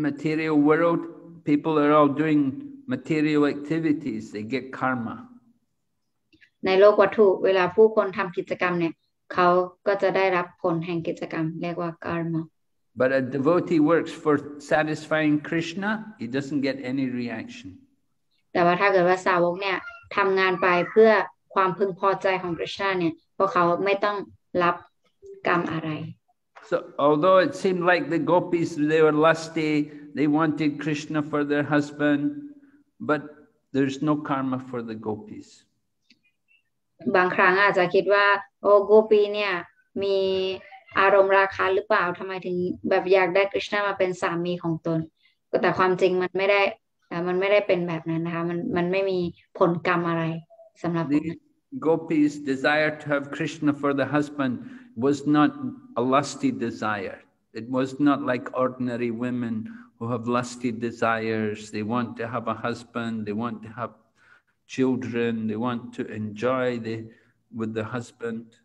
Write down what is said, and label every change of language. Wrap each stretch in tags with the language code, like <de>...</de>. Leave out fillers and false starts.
<en>material world, people are all doing material activities, they get karma.</en> <th>ในโลกวัตถุเวลาผู้คนทำกิจกรรมเนี่ยเขาก็จะได้รับผลแห่งกิจกรรมเรียกว่ากรรม</th> <en>But a devotee works for satisfying Krishna, he doesn't get any reaction.</en> <th>แต่ว่าถ้าเกิดว่าสาวกเนี่ยทำงานไปเพื่อความพึงพอใจของคริสต์เนี่ยพวกเขาไม่ต้องรับกรรมอะไร</th> <en>So although it seemed like the gopis, they were lusty, they wanted Krishna for their husband, but there's no karma for the gopis.</en> <th>บางครั้งอาจจะคิดว่าโอ้โกปีเนี่ยมีอารมณ์ราคะหรือเปล่าทำไมถึงแบบอยากได้คริสต์มาเป็นสามีของตนก็แต่ความจริงมันไม่ได้มันไม่ได้เป็นแบบนั้นนะคะมันไม่มีผลกรรมอะไรสำหรับ</th> <en>The gopis' desire to have Krishna for the husband was not a lusty desire. It was not like ordinary women who have lusty desires. They want to have a husband, they want to have children, they want to enjoy the with the husband.</en>